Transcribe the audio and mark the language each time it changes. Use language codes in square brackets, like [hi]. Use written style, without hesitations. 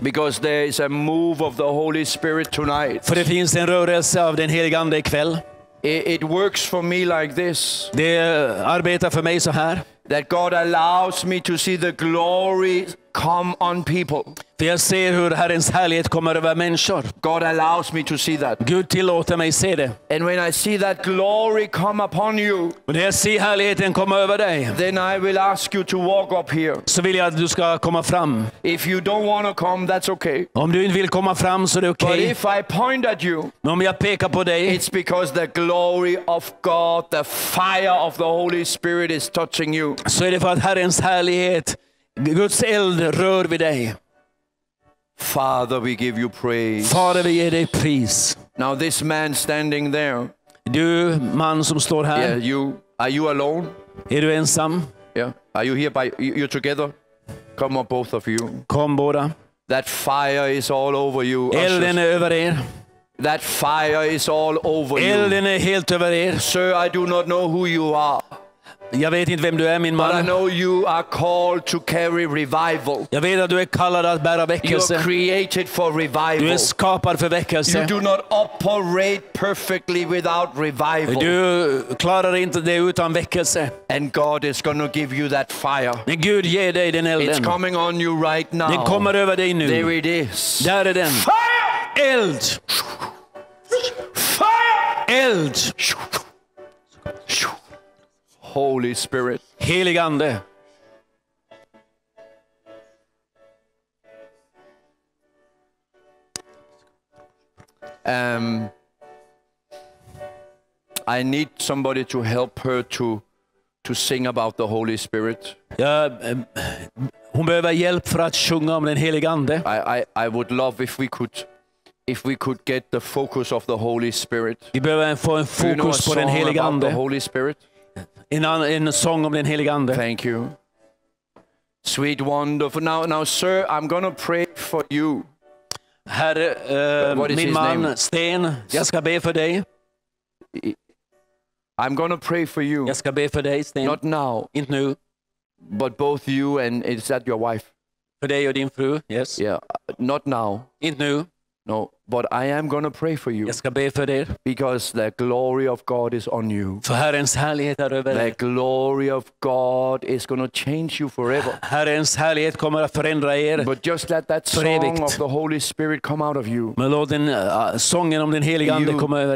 [en] Because there is a move of the Holy Spirit tonight. [sv] För det finns en rörelse av den helige ande ikväll. [en] It works for me like this. [sv] Det arbetar för mig så här. [en] That God allows me to see the glory come on people. [sv] För jag ser hur Herrens härlighet kommer över människor. [en] God allows me to see that. [sv] Gud tillåter mig se det. [en] And when I see that glory come upon you. [sv] När jag ser härligheten komma över dig. [en] Then I will ask you to walk up here. [sv] Så vill jag att du ska komma fram. [en] If you don't want to come, that's okay. [sv] Om du inte vill komma fram så är det okej. [en] But if I point at you. [sv] Men om jag pekar på dig. [en] It's because the glory of God, the fire of the Holy Spirit is touching you. [sv] Så är det för att Herrens härlighet, Guds eld rör vid dig. [en] Father, we give you praise. [sv] Fader, vi ger dig pris. [en] Now this man standing there. [sv] Du man som står här. [en] Yeah, you. Are you alone? [sv] Är du ensam? [en] Yeah. Are you here by you together? Come on, both of you. [sv] Kom båda. [en] That fire is all over you. [sv] Elden är över er. [en] That fire is all over you. [sv] Elden är helt över er. [en] Sir, I do not know who you are. [sv] Jag vet inte vem du är, min man. [en] But I know you are called to carry revival. [sv] Jag vet att du är kallad att bära väckelse. [en] You are created for revival. [sv] Du är skapad för väckelse. [en] You do not operate perfectly without revival. [sv] Du klarar inte det utan väckelse. [en] And God is going to give you that fire. [sv] Men Gud ger dig den elden. [en] It's coming on you right now. [sv] Den kommer över dig nu. [en] There it is. [sv] Där är den. [en] Fire! [sv] Eld! [en] Fire! [sv] Eld! [en] Holy Spirit. [sv] Helig ande. [en] I need somebody to help her to sing about the Holy Spirit. [sv] Ja, Hon behöver hjälp för att sjunga om den helige ande. [en] I would love if we could get the focus of the Holy Spirit. [sv] Vi behöver få en fokus på den helige ande. [en] The Holy Spirit. [sv] En sång om den helige ande. [en] Thank you. Sweet wonderful. Now sir, I'm going to pray for you. [sv] Herre, min man name? Sten, jag ska be för dig. [en] I'm going to pray for you. [sv] Jag ska be för dig, Sten. [en] Not now. [sv] Inte nu. [en] But both you and is that your wife? [sv] För dig och din fru, yes. [en] Yeah, not now. [sv] Inte nu. [en] No, but I am going to pray for you. [sv] Jag ska be för dig. [en] Because the glory of God is on you. [sv] För Herrens härlighet är över [en] dig. The glory of God is going to change you forever. [sv] Herrens härlighet kommer att förändra er. [en] But just let that song of the Holy Spirit come out of you. [sv] Men låt den sången om den helige ande komma över